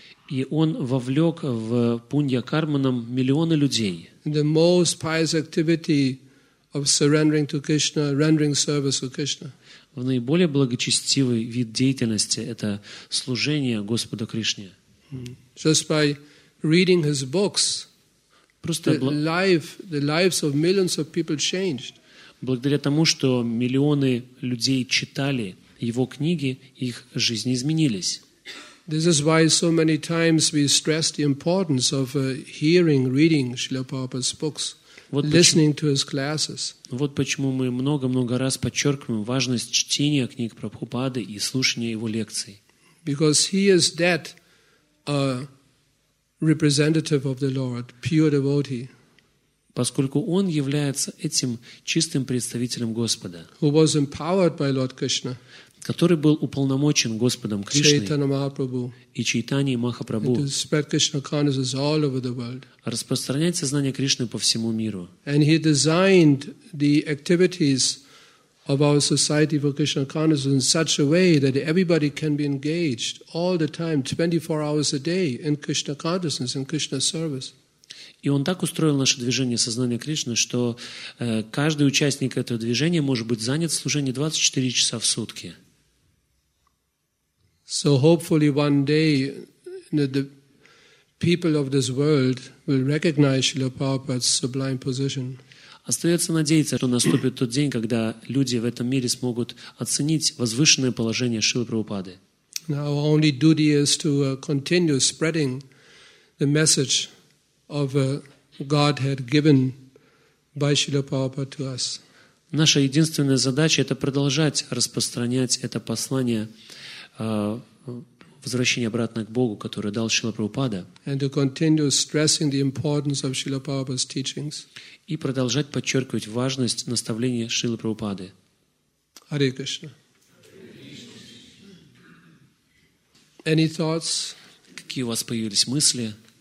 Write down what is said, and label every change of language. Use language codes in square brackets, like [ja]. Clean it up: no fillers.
[ru] И он вовлек в Пунья Карманам миллионы людей. [en] The most pious activity of surrendering to Krishna, rendering service to Krishna. [ru] В наиболее благочестивый вид деятельности это служение Господу Кришне. [en] Just by reading his books, the lives of millions of people changed. [ru] Благодаря тому, что миллионы людей читали его книги, их жизни изменились. [en] This is why so many times we stress the importance of hearing, reading Srila Prabhupada's books. Listening to his classes. [ru] Вот почему мы много-много раз подчеркиваем важность чтения книг Прабхупады и слушания его лекций. [en] Because he is that representative of the Lord, pure devotee. [ru] Поскольку он является этим чистым представителем Господа. [en] Who was empowered by Lord Krishna. [ru] Который был уполномочен Господом Кришной [en] Chaitanya Mahaprabhu, [ru] и Чайтаньей Махапрабху [en] and to spread Krishna consciousness all over the world. [ru] Распространять сознание Кришны по всему миру. [en] And he designed the activities of our society for Krishna consciousness in such a way that everybody can be engaged all the time, 24 hours a day in Krishna consciousness, in Krishna service. [ru] И он так устроил наше движение сознания Кришны, что каждый участник этого движения может быть занят в служении 24 часа в сутки. [en] So hopefully one day the people of this world will recognize Srila Prabhupada's sublime position. [ru] Остается надеяться, что наступит тот день, когда люди в этом мире смогут оценить возвышенное положение Шрилы Прабхупады. [en] Our only duty is to continue spreading the message of Godhead given by Srila Prabhupada to us. [ru] Наша единственная задача — это продолжать распространять это послание возвращения обратно к Богу, которое дал Шрила Прабхупада. [en] And to continue stressing the importance of Srila Prabhupada's teachings. [ru] И продолжать подчеркивать важность наставления Шрилы Прабхупады. [en] Hare Krishna. Any thoughts? [ru] Какие у вас появились мысли?